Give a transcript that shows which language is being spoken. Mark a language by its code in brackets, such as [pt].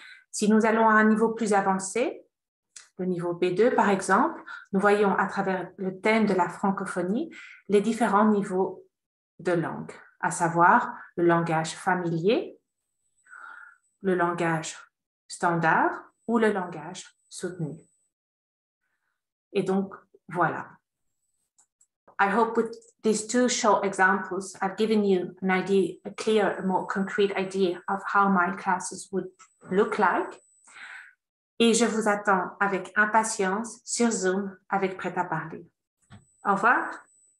[fr] Si nous allons à un niveau plus avancé, le niveau B2, par exemple, nous voyons à travers le thème de la francophonie les différents niveaux de langue, à savoir le langage familier, le langage standard ou le langage soutenu. Et donc, voilà. [en] I hope with these two short examples, I've given you an idea, a clear, more concrete idea of how my classes would look like. [fr] Et je vous attends avec impatience sur Zoom avec Prêt à parler. Au revoir.